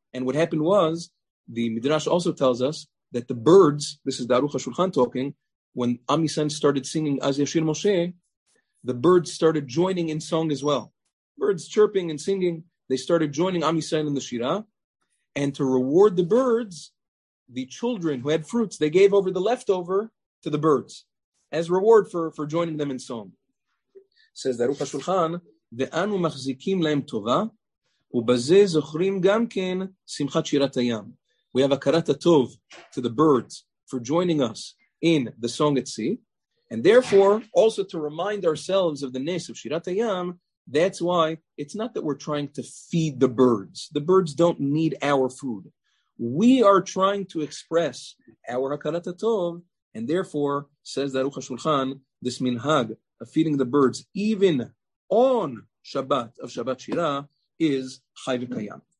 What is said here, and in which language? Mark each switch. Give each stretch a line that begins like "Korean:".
English: And what happened was, the Midrash also tells us that the birds, this is the Aruch HaShulchan talking, when Am Yisrael started singing Az Yashir Moshe, the birds started joining in song as well. Birds chirping and singing, they started joining Am Yisrael in the Shira. And to reward the birds, the children who had fruits, they gave over the leftover to the birds as reward for joining them in song. Says the Aruch HaShulchan,
Hebrew: ואנו מחזיקים להם טובה, ובזה זוכרים גם כן שמחת שירת הים.
English: We have הכרת הטוב to the birds for joining us in the song at sea. And therefore, also to remind ourselves of the ness of Shirat Hayam, that's why it's not that we're trying to feed the birds. The birds don't need our food. We are trying to express our hakarat hatov, and therefore, says the Aruch HaShulchan, this minhag of feeding the birds, even on Shabbat of Shabbat Shira, is Chai V'Kayam.